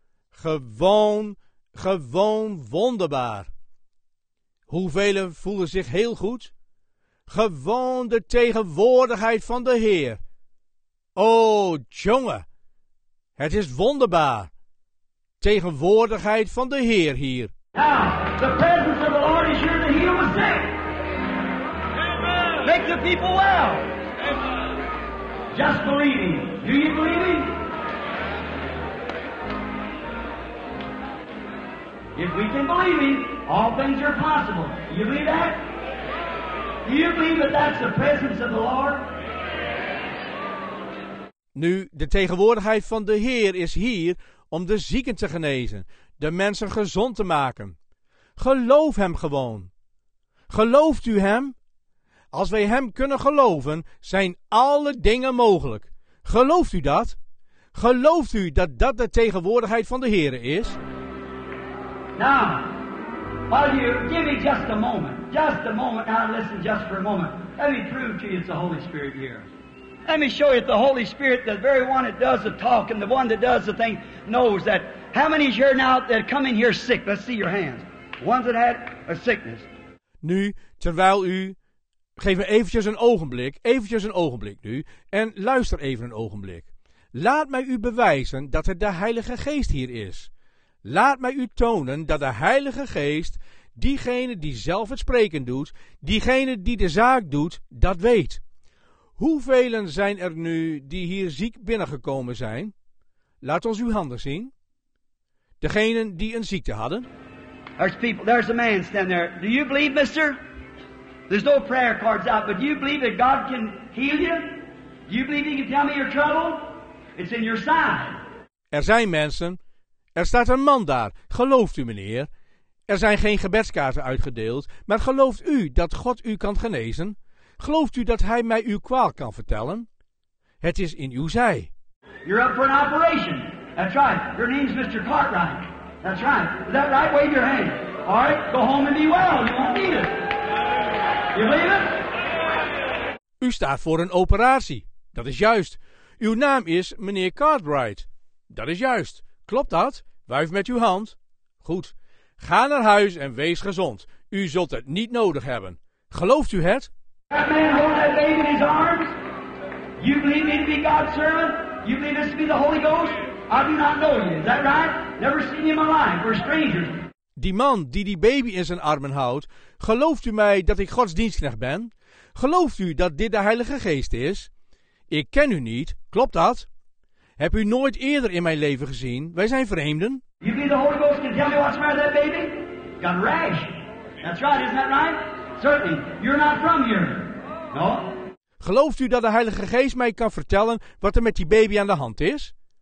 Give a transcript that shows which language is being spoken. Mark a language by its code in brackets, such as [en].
[nl] Gewoon wonderbaar. Hoeveel voelen zich heel goed? Gewoon de tegenwoordigheid van de Heer. O, jongen. Het is wonderbaar. Tegenwoordigheid van de Heer hier. [en] Now, the presence of the Lord is here to heal the sick. Amen. Make the people well. Amen. Just believe me. Do you believe me? If we can believe me, all things are possible. Do you believe that? Do you believe that that's the presence of the Lord? [nl] Nu, de tegenwoordigheid van de Heer is hier om de zieken te genezen, de mensen gezond te maken. Geloof hem gewoon. Gelooft u hem? Als wij hem kunnen geloven, zijn alle dingen mogelijk. Gelooft u dat? Gelooft u dat dat de tegenwoordigheid van de Heere is? [en] Now, while you give me just a moment. Now listen just for a moment. Let me prove to you it's the Holy Spirit here. Let me show you the Holy Spirit, the very one that does the talk and the one that does the thing, knows that. How many here now that come in here sick? Let's see your hands. Ones that had a sickness. [nl] Nu, terwijl u... Geef me eventjes een ogenblik nu. En luister even een ogenblik. Laat mij u bewijzen dat het de Heilige Geest hier is. Laat mij u tonen dat de Heilige Geest, diegene die zelf het spreken doet, diegene die de zaak doet, dat weet. Hoeveel zijn er nu die hier ziek binnengekomen zijn? Laat ons uw handen zien. Degenen die een ziekte hadden. [en] There's people, there's a man standing there. Do you believe, mister? There's no prayer cards out, but do you believe that God can heal you? Do you believe he can tell me your trouble? It's in your side. [nl] Er zijn mensen. Er staat een man daar. Gelooft u, meneer? Er zijn geen gebedskaarten uitgedeeld, maar gelooft u dat God u kan genezen? Gelooft u dat hij mij uw kwaal kan vertellen? Het is in uw zij. [en] You're up for an operation. That's right. Your name's Mr. Cartwright. That's right. Is that right? Wave your hand. All right. Go home and be well. You won't need it. You believe it? [nl] U staat voor een operatie. Dat is juist. Uw naam is meneer Cartwright. Dat is juist. Klopt dat? Wuif met uw hand. Goed. Ga naar huis en wees gezond. U zult het niet nodig hebben. Gelooft u het? [en] That man holding that baby in his arms? You believe me to be God's servant? You believe this to be the Holy Ghost? I do not know you. Is that right? Never seen you in my life. We're strangers. [nl] Die man die die baby in zijn armen houdt, gelooft u mij dat ik Gods dienstknecht ben? Gelooft u dat dit de Heilige Geest is? Ik ken u niet. Klopt dat? Heb u nooit eerder in mijn leven gezien? Wij zijn vreemden. [en] You believe the Holy Ghost can tell me what's the matter with that baby? Got a rash. That's right, isn't that right? Certainly. You're not from here. No? [nl] Gelooft u dat de Heilige Geest mij kan vertellen wat er met die baby aan de hand is?